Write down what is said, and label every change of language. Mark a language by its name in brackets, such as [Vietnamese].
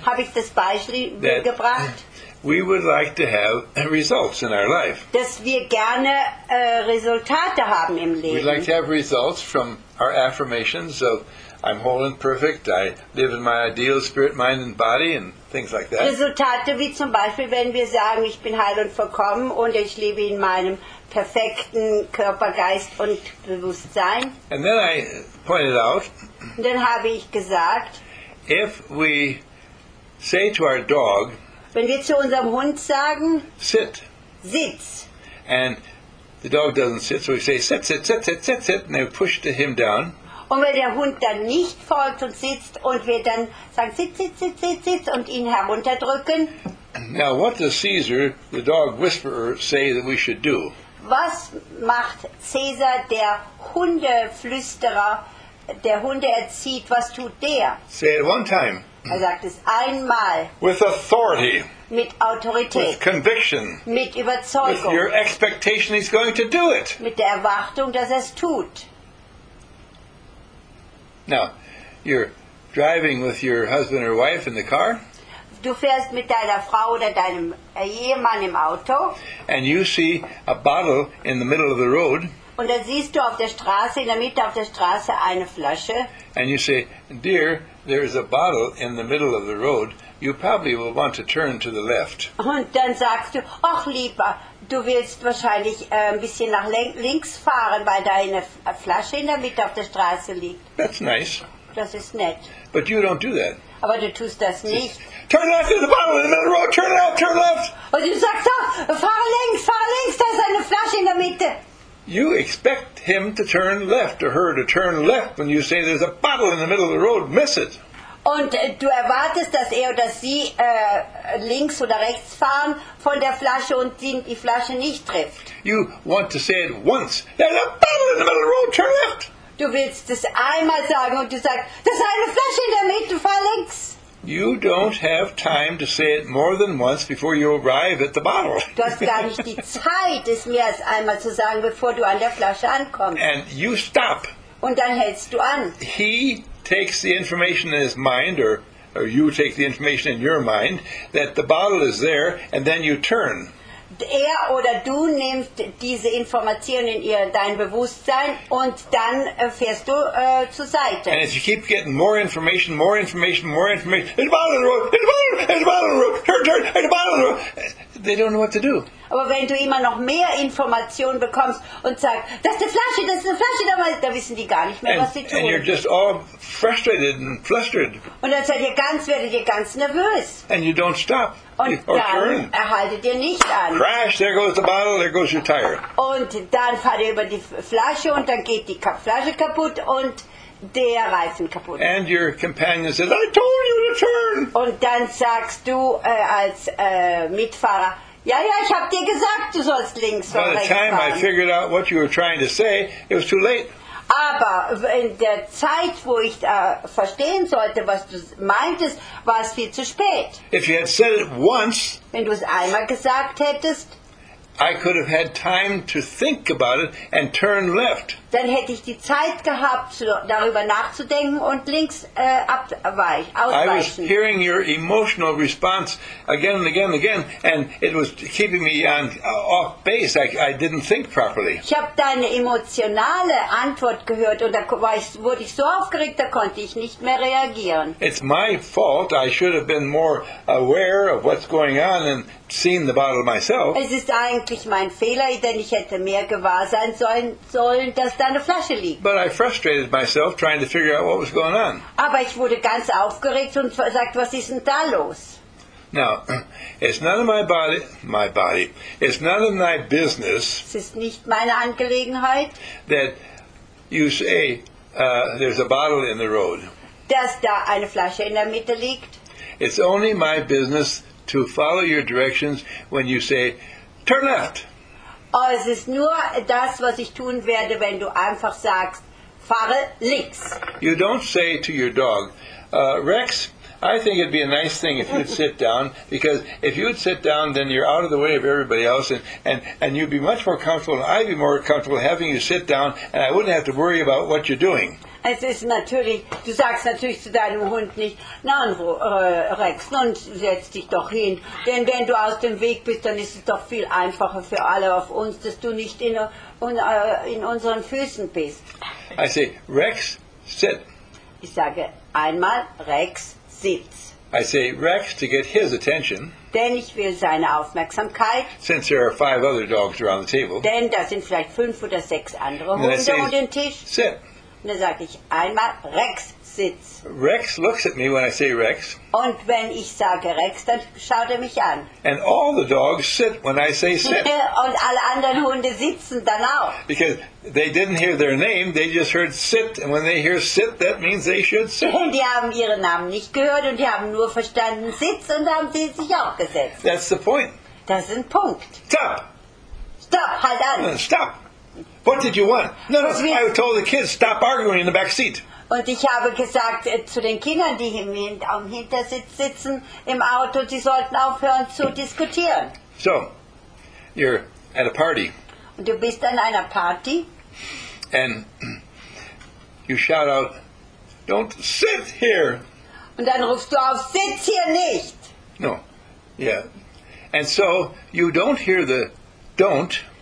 [German] Habe ich das Beispiel gebracht? [English] We would like to have results in our life. [German] Dass wir gerne Resultate haben im Leben. [English] We'd like to have results from our affirmations of I'm whole and perfect. I live in my ideal spirit, mind and body, and things like that. [German] Resultate wie zum Beispiel, wenn wir sagen, ich bin heil und vollkommen und ich lebe in meinem perfekten Körper, Geist und Bewusstsein. [English] And then I pointed out. [German] Und dann habe ich gesagt. [English] If we say to our dog. [German] Wenn wir zu unserem Hund sagen. [English] Sit. [German] Sitz. [English] And the dog doesn't sit, so we say sit, sit, sit, sit, sit, sit, and we push him down. [German] Und wenn der Hund dann nicht folgt und sitzt und wir dann sagen, sitz, sitz, sitz, sitz, sitz und ihn herunterdrücken. [English] Now, what does Caesar, the dog whisperer, say that we should do? [German] Was macht Caesar, der Hundeflüsterer, der Hunde erzieht, was tut der? [English] Say it one time. [German] Er sagt es einmal. [English] With authority. [German] Mit Autorität. [English] With conviction. [German] Mit Überzeugung. [English] With your expectation he's going to do it. [German] Mit der Erwartung, dass es tut. [English] Now, you're driving with your husband or wife in the car. [German] Du fährst mit deiner Frau oder deinem Ehemann im Auto. [English] And you see a bottle in the middle of the road. [German] Und dann siehst du auf der Straße, in der Mitte auf der Straße eine Flasche. [English] And you say, dear, there is a bottle in the middle of the road. You probably will want to turn to the left. [German] Und dann sagst du, ach lieber, du willst wahrscheinlich ein bisschen nach links fahren, weil da eine Flasche in der Mitte auf der Straße liegt. [English] That's nice. [German] Das ist nett. [English] But you don't do that. [German] Aber du tust das nicht. [English] Turn left, there's a bottle in the middle of the road, turn left, turn left. [German] Und du sagst, ach, fahr links, da ist eine Flasche in der Mitte. [English] You expect him to turn left, or her to turn left, when you say there's a bottle in the middle of the road, miss it. [German] Und du erwartest, dass er oder sie links oder rechts fahren von der Flasche und die Flasche nicht trifft. [English] You want to say it once. There's a bottle in the middle of the road, turn left. [German] Du willst es einmal sagen und du sagst, das ist eine Flasche in der Mitte, fahr links. [English] You don't have time to say it more than once before you arrive at the bottle. [German] Du hast gar nicht die Zeit, es mehr als einmal zu sagen, bevor du an der Flasche ankommst. [English] And you stop. [German] Und dann hältst du an. [English] He takes the information in his mind, or you take the information in your mind, that the bottle is there, and then you turn. [German] Er oder du nimmst diese Information in dein Bewusstsein und dann fährst du zur Seite. [English] And as you keep getting more information, more information, more information, there's a bottle in the road, there's a bottle, there's a bottle in the road, turn, turn, there's a bottle in the road, they don't know what to do. [German] Aber wenn du immer noch mehr Information bekommst und sagst, das ist eine Flasche, da wissen die gar nicht mehr, was sie tun. [English] And you're just all frustrated and flustered. [German] Und dann werdet ihr ganz nervös. [English] And you don't stop. [German] Und dann erhaltet ihr nicht an. [English] Crash, there goes the bottle, there goes your tire. [German] Und dann fahrt ihr über die Flasche und dann geht die Flasche kaputt und der Reifen kaputt. [English] And your companion says, I told you to turn. [German] Und dann sagst du als Mitfahrer, ja, ich hab dir gesagt, du sollst links fahren. [English] By the time I figured out what you were trying to say, it was too late. [German] Aber in der Zeit, wo ich verstehen sollte, was du meintest, war es viel zu spät. [English] If you had said it once, [German] wenn du es einmal gesagt hättest, [English] I could have had time to think about it and turn left. [German] Dann hätte ich die Zeit gehabt, darüber nachzudenken und links ausweichen. [English] I was hearing your emotional response again and again and again, and it was keeping me on off base. I didn't think properly. [German] Ich habe deine emotionale Antwort gehört und da wurde ich so aufgeregt, da konnte ich nicht mehr reagieren. [English] It's my fault. I should have been more aware of what's going on and seen the bottle myself. [German] Es ist eigentlich mein Fehler, denn ich hätte mehr gewahr sein sollen, dass da eine Flasche liegt. [English] But I frustrated myself trying to figure out what was going on. [German] Aber ich wurde ganz aufgeregt und sagte, was ist denn da los? [English] Now, it's none of my body, it's none of my business. [German] Es ist nicht meine Angelegenheit. [English] That you say there's a bottle in the road. [German] Dass da eine Flasche in der Mitte liegt. [English] It's only my business to follow your directions when you say, turn left. [German] Oh, es ist nur das, was ich tun werde, wenn du einfach sagst, fahre links. [English] You don't say to your dog, Rex, I think it'd be a nice thing if you'd sit down, because if you'd sit down, then you're out of the way of everybody else, and you'd be much more comfortable, and I'd be more comfortable having you sit down, and I wouldn't have to worry about what you're doing. [German] Es ist natürlich, du sagst natürlich zu deinem Hund nicht, nein, Rex, nun setz dich doch hin. Denn wenn du aus dem Weg bist, dann ist es doch viel einfacher für alle auf uns, dass du nicht in unseren Füßen bist. [English] I say, Rex, sit. [German] Ich sage einmal, Rex, sitz. [English] I say, Rex, to get his attention. [German] Denn ich will seine Aufmerksamkeit. [English] Since there are five other dogs around the table. [German] Denn da sind vielleicht fünf oder sechs andere Hunde um den Tisch. [English] Sit. [German] Und dann sage ich einmal, Rex, sitz. [English] Rex looks at me when I say Rex. [German] Und wenn ich sage Rex, dann schaut mich an. [English] And all the dogs sit when I say sit. [German] Und alle anderen Hunde sitzen dann auch. [English] Because they didn't hear their name, they just heard sit. And when they hear sit, that means they should sit. [German] Und die haben ihren Namen nicht gehört und die haben nur verstanden sitz und haben sie sich auch gesetzt. [English] That's the point. [German] Das ist ein Punkt. [English] Stop. [German] Stop, halt an. [English] Stop. What did you want? No, I told the kids, stop arguing in the back seat. [German] Und ich habe gesagt zu den Kindern, die am Hintersitz sitzen im Auto, sie sollten aufhören zu diskutieren. [English] So, you're at a party. [German] Und du bist an einer Party. [English] And you shout out, don't sit here. [German] Und dann rufst du auf, sitz hier nicht. [English] No, yeah. And so, you don't hear the don't.